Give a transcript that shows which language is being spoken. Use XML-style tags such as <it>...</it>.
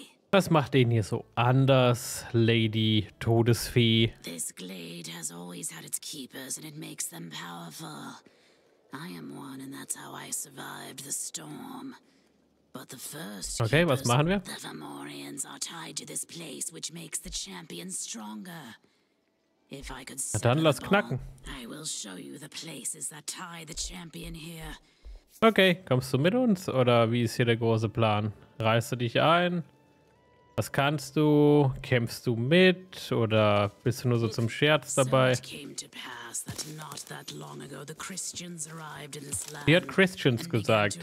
<de>Was macht den hier so anders, Lady Todesfee?</de> <en>This glade has always had its keepers and it makes them powerful. I am one and that's how I survived the storm. But the first keepers, okay,</en> <de>was machen wir?</de> <en>The Vermorians are tied to this place which makes the champion stronger. If I could set the ball, I will show you the places that tie the champion here.</en> <de>Okay, kommst du mit uns oder wie ist hier der große Plan? Reißt du dich ein? Was kannst du? Kämpfst du mit oder bist du nur so zum Scherz dabei? Sie hat Christians gesagt.</de>